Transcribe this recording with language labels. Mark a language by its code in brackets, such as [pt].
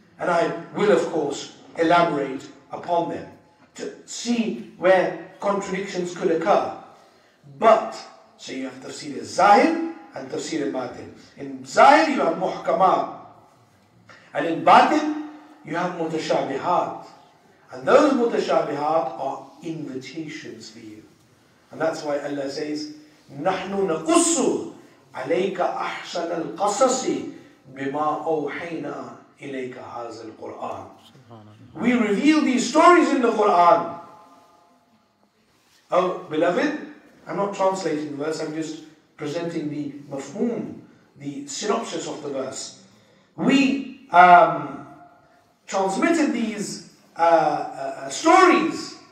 [en] And I will, of course, elaborate upon them to see where contradictions could occur. But, so you have tafsir al-zahir and tafsir al-batin. In zahir, you have muhkamah. And in batin, you have mutashabihat. And those mutashabihat are invitations for you. And that's why Allah says, [ar] نَحْنُ نَقُصُّ عَلَيْكَ أَحْسَنَ الْقَصَصِ بِمَا أَوْحَيْنَا إِلَيْكَ هَذَا الْقُرْآنِ. [en] We reveal these stories in the Quran. Oh, beloved, I'm not translating the verse, I'm just presenting the mafhoom, the synopsis of the verse. We transmitted these stories.